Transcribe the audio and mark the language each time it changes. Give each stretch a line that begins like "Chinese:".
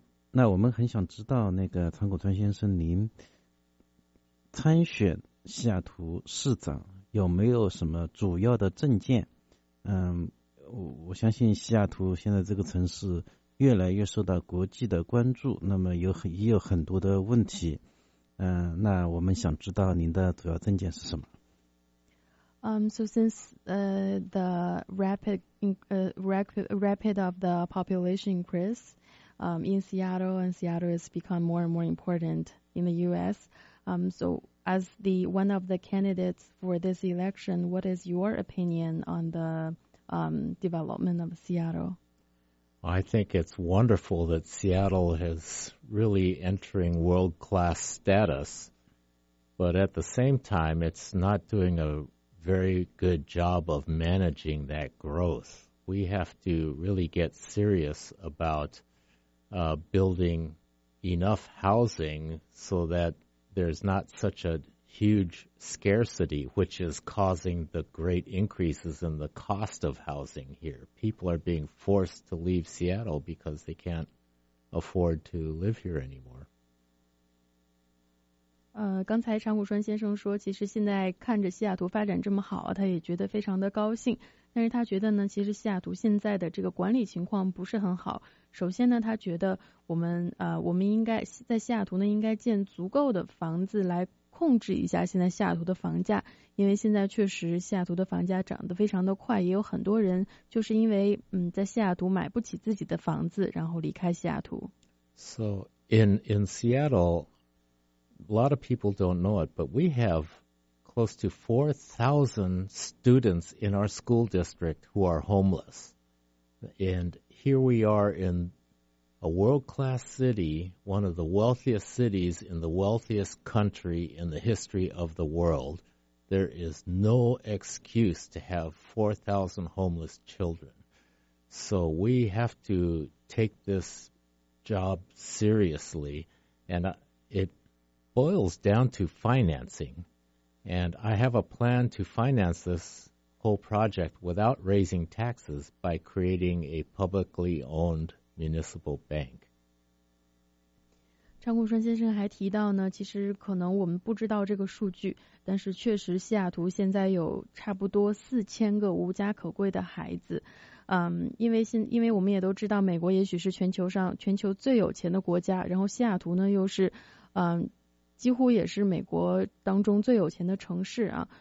Chinese: 那我们很想知道，那个长谷川先生，您参选西雅图市长有没有什么主要的政见？我相信西雅图现在这个城市越来越受到国际的关注，那么也有很多的问题。那我们想知道您的主要政见是什么。
English: So since the rapid of the population increase in Seattle, and Seattle has become more and more important in the US, so as one of the candidates for this election, what is your opinion on the development of Seattle? I think it's wonderful that Seattle is really entering world-class status, but at the same time, it's not doing a very good job of managing that growth. We have to really get serious about building enough housing so that there's not such a huge scarcity, which is causing the great increases in the cost of housing here. People are being forced to leave Seattle because they can't afford to live here anymore.
Chinese: 刚才长谷川先生说，其实现在看着西雅图发展这么好，他也觉得非常的高兴。但是他觉得呢，其实西雅图现在的这个管理情况不是很好。首先呢，他觉得我们应该在西雅图呢应该建足够的房子来控制一下现在西雅图的房价，因为现在确实西雅图的房价涨得非常的快，也有很多人就是因为在西雅图买不起自己的房子，然后离开西雅图。
English: So in Seattle, a lot of people don't know it, but we have close to 4,000 students in our school district who are homeless, and here we are in a world-class city, one of the wealthiest cities in the wealthiest country in the history of the world. There is no excuse to have 4,000 homeless children. So we have to take this job seriously, and it boils down to financing. And I have a plan to finance this whole project without raising taxes by creating a publicly owned municipal bank.
Chinese: 长谷川先生还提到呢，其实可能我们不知道这个数据，但是确实西雅图现在有差不多4000个无家可归的孩子。因为我们也都知道，美国也许是全球最有钱的国家，然后西雅图呢又是几乎也是美国当中最有钱的城市啊。